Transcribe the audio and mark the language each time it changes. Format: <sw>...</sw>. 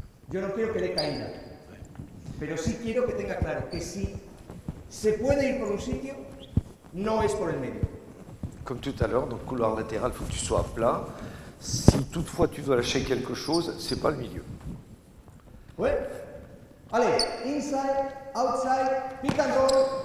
<es>Yo no quiero que le caiga. Pero sí quiero que tenga claro que si se puede ir por un sitio, no es por el medio.</es> <fr>Comme tout à l'heure, dans le couloir latéral, il faut que tu sois à plat. Si toutefois tu dois lâcher quelque chose, c'est pas le milieu. Ouais. Allez,</fr> <en>inside, outside, pick and roll.</en>